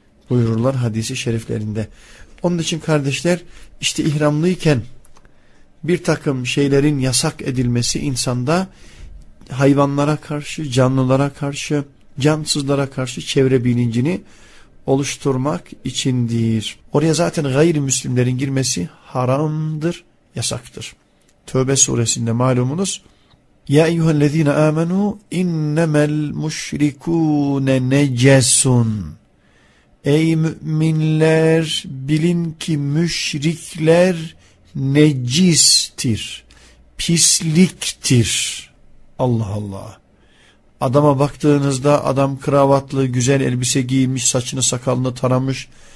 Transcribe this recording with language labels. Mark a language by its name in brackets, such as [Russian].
[Turkish] Buyururlar hadisi şeriflerinde. Onun için kardeşler, işte ihramlıyken bir takım şeylerin yasak edilmesi insanda hayvanlara karşı, canlılara karşı, cansızlara karşı çevre bilincini oluşturmak içindir. Oraya zaten gayrimüslimlerin girmesi haramdır, yasaktır. Tövbe suresinde malumunuz, [Arabic] يَا اَيُّهَا الَّذ۪ينَ آمَنُوا اِنَّمَا الْمُشْرِكُونَ نَجَسٌ. [Turkish] Ey müminler, bilin ki müşrikler necistir, pisliktir. Allah Allah. Adama baktığınızda adam kravatlı, güzel elbise giymiş, saçını sakalını taramış.